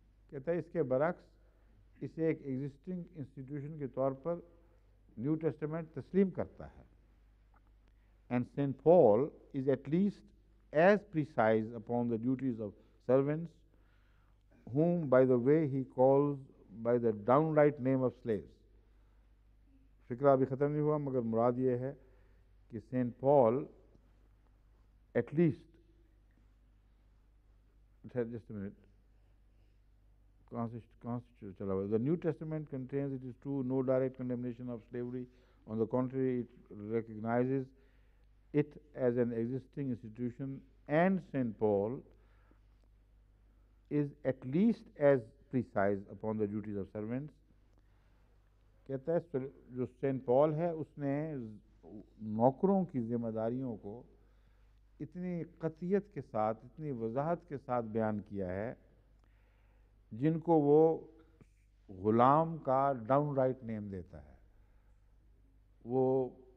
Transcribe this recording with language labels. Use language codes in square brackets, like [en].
[ur] کہتا ہے اس کے برعکس اسے ایک [en] existing institution [ur] کے طور پر New Testament تسلیم کرتا ہے. [en] And St. Paul is at least as precise upon the duties of servants whom, by the way, he calls by the downright name of slaves. [ur] فکرہ ابھی ختم نہیں ہوا مگر مراد یہ ہے کہ St. [en] Paul at least just a minute. The New Testament contains, it is true, no direct condemnation of slavery. On the contrary, it recognizes it as an existing institution, and St. Paul is at least as precise upon the duties of servants. [ur] کہتا ہے جو St. Paul ہے اس نے نوکروں کی ذمہ داریوں کو اتنی قطعیت کے ساتھ اتنی وضاحت کے ساتھ بیان کیا ہے جن کو وہ غلام کا [en] down right name [ur] دیتا ہے, وہ